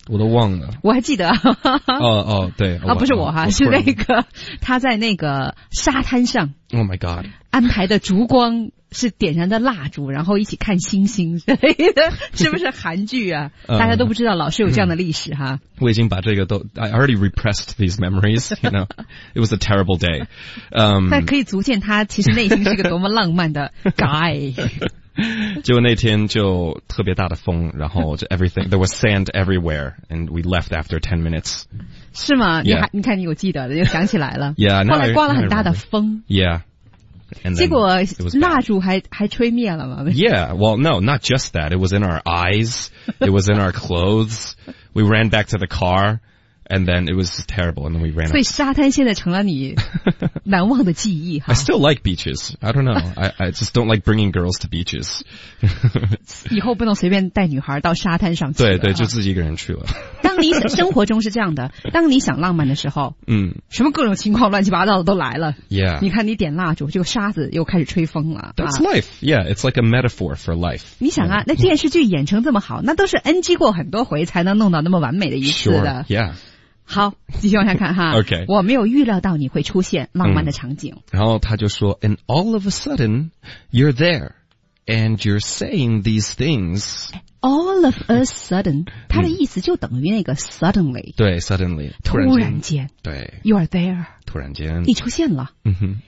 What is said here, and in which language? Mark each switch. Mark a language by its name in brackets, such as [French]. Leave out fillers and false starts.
[Chinese] 我都忘了我还记得哦哦对啊不是我哈、啊、是那个他在那个沙滩上 [English] oh my god [Chinese] 安排的烛光是点燃的蜡烛然后一起看星星之类的是不是韩剧啊大家都不知道老是有这样的历史哈我已经把这个都 [English] I already repressed these memories you know it was a terrible day [Chinese] 但可以足见他其实内心是个多么浪漫的 guy 结果那天就特别大的风然后就 [English] everything there was sand everywhere and we left after 10 minutes [Chinese] 是吗、 [English] yeah. [Chinese] 你看你有记得的又想起来了 [English] yeah, [Chinese] 后来刮了很大的风 [English] yeah [Chinese] 结果蜡烛还吹灭了吗 [English] Yeah, well, no, not just that. It was in our eyes. It was in our clothes. We ran back to the car, and then it was terrible, and then we ran [Chinese] out. 所以沙滩现在成了你难忘的记忆哈。 [English] I still like beaches. I don't know. I just don't like bringing girls to beaches. [Chinese] 以后不能随便带女孩到沙滩上去对对，就自己一个人去了。当你生活中是这样的，当你想浪漫的时候，什么各种情况乱七八糟的都来了。 [English] Yeah. [Chinese] 你看你点蜡烛，这个沙子又开始吹风了。 [English] That's life. Yeah, it's like a metaphor for life. [Chinese] 你想啊，那电视剧演成这么好，那都是 NG 过很多回才能弄到那么完美的一次的。 [English] Sure. Yeah. [Chinese] 好继续往下看哈 [English] OK [Chinese] 我没有预料到你会出现浪漫的场景、然后他就说 [English] And all of a sudden You're there And you're saying these things [Chinese] All of a sudden 他的意思就等于那个 suddenly 对 suddenly 突然间对 [English] You're there [Chinese] 突然间你出现了、 mm-hmm.